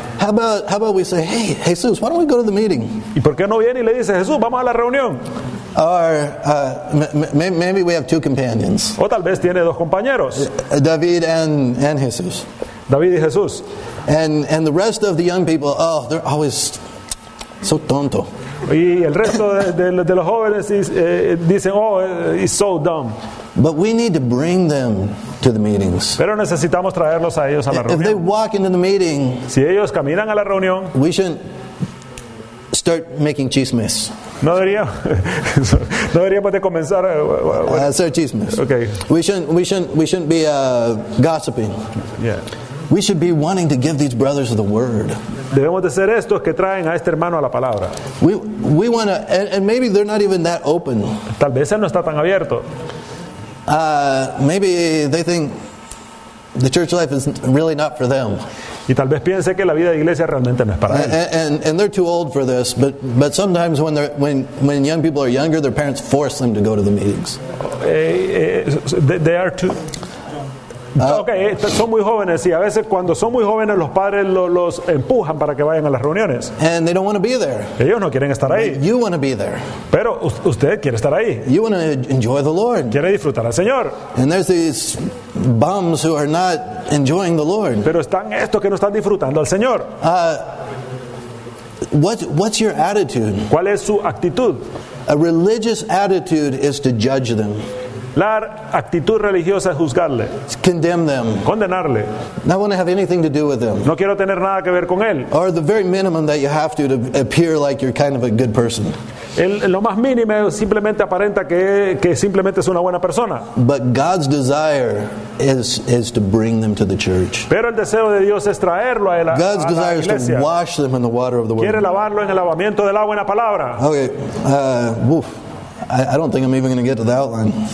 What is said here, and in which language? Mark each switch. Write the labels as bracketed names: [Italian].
[English] How about we say, "Hey, Jesus, why don't we go to the meeting?" [Spanish] ¿Y por qué no viene y le dice, "Jesús, vamos a la reunión"? [English] Or maybe we have 2 companions. [Spanish] O tal vez tiene 2 compañeros. [English] David and Jesús. [Spanish] David y Jesús. [English] And the rest of the young people, oh, they're always [Spanish] So tonto. Y el resto de los jóvenes dicen, [English] oh, it's so dumb. But we need to bring them to the meetings. [Spanish] Pero necesitamos traerlos a ellos a la reunión. [English] If they walk into the meeting, [Spanish] si ellos caminan a la reunión, [English] we shouldn't start making chismes. [Spanish] No debería, no deberíamos de comenzar a hacer chismes. [English] Okay. We shouldn't be gossiping. Yeah. We should be wanting to give these brothers the word. [Spanish] Debemos de ser estos que traen a este hermano a la palabra. [English] We want to, and maybe they're not even that open. [Spanish] Tal vez él no está tan abierto. [English] Maybe they think the church life is really not for them. [Spanish] Y tal vez piense que la vida de iglesia realmente no es para él. [English] And they're too old for this, but sometimes when young people are younger, their parents force them to go to the meetings. They are too. [Spanish] Okay, son muy jóvenes y a veces cuando son muy jóvenes los padres los empujan para que vayan a las reuniones. [English] And they don't want to be there. [Spanish] Ellos no quieren estar ahí. [English] You want to be there. [Spanish] Pero usted quiere estar ahí. [English] You want to enjoy the Lord. [Spanish] Quiere disfrutar al Señor. [English] And there's these bums who are not enjoying the Lord. [Spanish] Pero están estos que no están disfrutando al Señor. [English] What's your attitude? [Spanish] ¿Cuál es su actitud? [English] A religious attitude is to judge them. [Spanish] La actitud religiosa es juzgarle. [English] Condemn them. [Spanish] Condenarle. [English] Not want to have anything to do with them. [Spanish] No quiero tener nada que ver con él. [English] Or the very minimum that you have to appear like you're kind of a good person. [Spanish] Lo más mínimo simplemente aparenta que simplemente es una buena persona. [English] But God's desire is to bring them to the church. [Spanish] Pero el deseo de Dios es traerlo a la iglesia. [English] God's desire is to wash them in the water of the word. [Spanish] Quiere lavarlo en el lavamiento de la buena palabra. [English] Okay. I don't think I'm even going to get to the outline.